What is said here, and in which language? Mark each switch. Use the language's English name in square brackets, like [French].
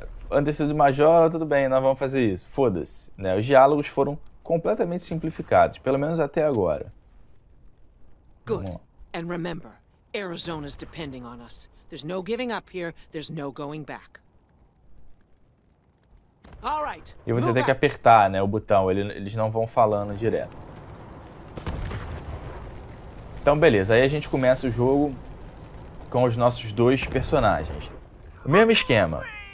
[English] Understood, Major, [Portuguese] tudo bem, nós vamos fazer isso. Foda-se, né? Os diálogos foram completamente simplificados, pelo menos até agora. [English] Good. And remember, Arizona is depending on us. There's no giving up here, there's no going back. All right. [Portuguese] E você tem que apertar, né, o botão, eles não vão falando direto. Então, beleza, aí a gente começa o jogo com os nossos dois personagens. O mesmo esquema.